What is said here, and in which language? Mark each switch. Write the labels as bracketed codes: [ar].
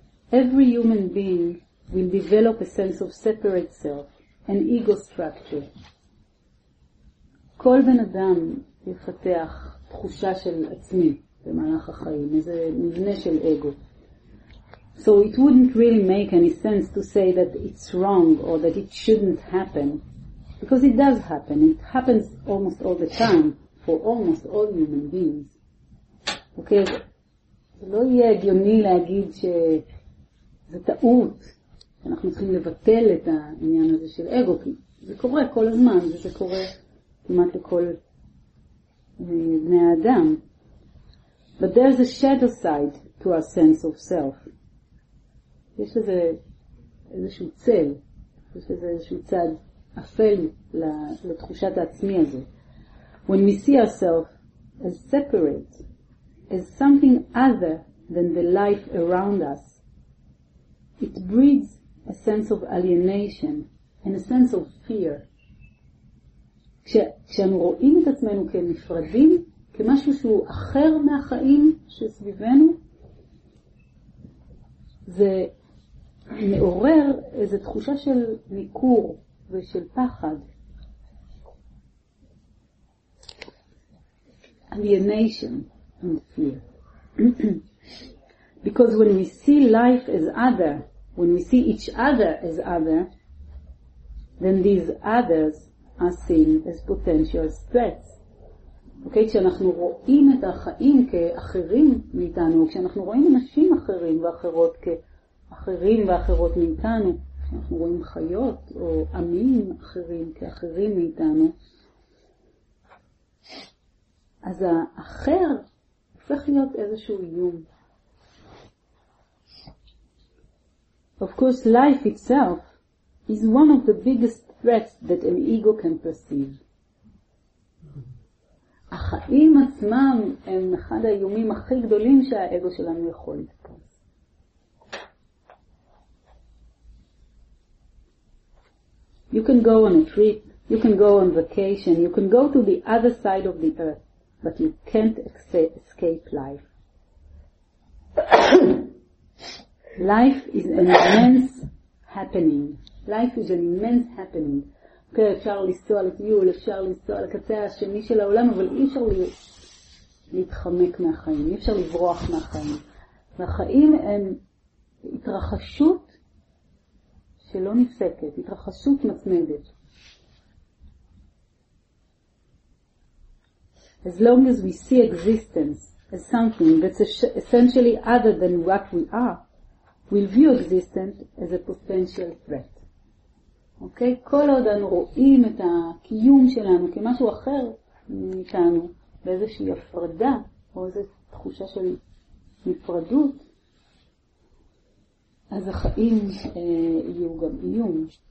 [en] Every human being will develop a sense of separate self, an ego structure. [he] כל בן אדם יפתח תחושה של עצמי במהלך החיים, איזה מבנה של אגו. [en] So it wouldn't really make any sense to say that it's wrong or that it shouldn't happen, because it does happen. It happens almost all the time for almost all human beings. Okay? [he] זה לא יהיה הגיוני להגיד ש... זה טעות, אנחנו צריכים לבטל את העניין הזה של אגו, כי זה קורה כל הזמן, וזה קורה כמעט לכל בני האדם. [en] But there's a shadow side to our sense of self. [he] יש לזה איזשהו צל, יש לזה איזשהו צד אפל לתחושת העצמי הזה. [en] When we see ourselves as separate, as something other than the life around us, it breeds a sense of alienation and a sense of fear. [he] כשאנו רואים את עצמנו כנפרדים, כמשהו שהוא אחר מהחיים שסביבנו, זה מעורר איזו תחושה של ניכור ושל פחד. [en] Alienation and fear. Because when we see life as other, when we see each other as other, then these others are seen as potential threats. [he] Okay, כשאנחנו רואים את החיים כאחרים מאיתנו, כשאנחנו רואים אנשים אחרים ואחרות כאחרים ואחרות מאיתנו, כשאנחנו רואים חיות או עמים אחרים כאחרים מאיתנו, אז האחר הופך להיות איזשהו איום. [en] Of course, life itself is one of the biggest threats that an ego can perceive. [he] החיים עצמם הם אחד האיומים הכי גדולים שהאגו שלנו יכול לתפוס. [en] You can go on a trip, you can go on vacation, you can go to the other side of the earth, but you can't escape life. Life is an immense happening. Life is an immense happening. [he] Okay, אפשר לנסוע לטיול, אפשר לנסוע לקצה השני של העולם, אבל אי אפשר להתחמק מהחיים, אי אפשר לברוח מהחיים. והחיים הם התרחשות שלא נפסקת, התרחשות מתמדת. [en] As long as we see existence as something that's essentially other than what we are, we'll view existence as a potential threat. Okay? [he] כל עוד אנו רואים את הקיום שלנו כמשהו אחר מאיתנו, באיזושהי הפרדה, או איזו תחושה של מפרדות, אז החיים יהיו גם איום.